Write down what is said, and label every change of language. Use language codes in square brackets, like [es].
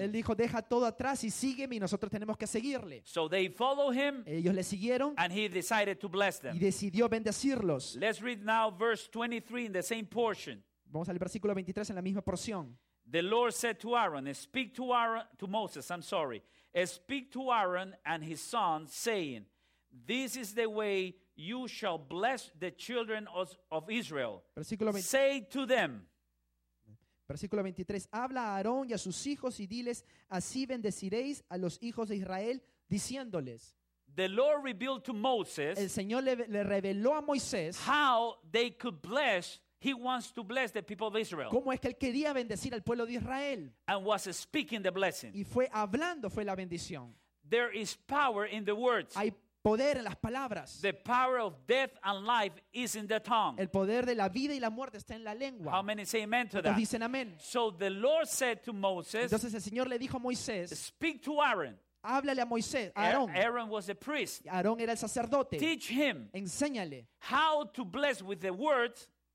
[es] Él dijo, "Deja todo atrás y sígueme." Y nosotros tenemos que seguirle. [en] So they follow him. [es] Ellos le siguieron. [en] And he decided to bless them. [es] Y decidió bendecirlos. [en] Let's read now verse 23 in the same portion. [es] Vamos al versículo 23 en la misma porción. [en] The Lord said to Aaron, "Speak to Aaron to Moses. I'm sorry." Speak to Aaron and his sons, saying, "This is the way you shall bless the children of Israel." Say to them, [es] versículo 23, habla a Aarón y a sus hijos y diles, así bendeciréis a los hijos de Israel, diciéndoles. [en] The Lord revealed to Moses, [es] el Señor le reveló a Moisés, [en] how they could bless. He wants to bless the people of Israel. [es] ¿Cómo es que él quería bendecir al pueblo de Israel? [en] And was speaking the blessing. [es] Y fue hablando, fue la bendición. [en] There is power in the words. [es] Hay poder en las palabras. [en] The power of death and life is in the tongue. [es] El poder de la vida y la muerte está en la lengua. [en] How many say amen to that? [es] Dicen amén. [en] So the Lord said to Moses. [es] Entonces el Señor le dijo a Moisés. [en] Speak to Aaron. [es] Háblale a Moisés, a Aarón. [en] Aaron was the priest. [es] Aarón era el sacerdote. [en] Teach him. [es] Enséñale. [en] How to bless with the words.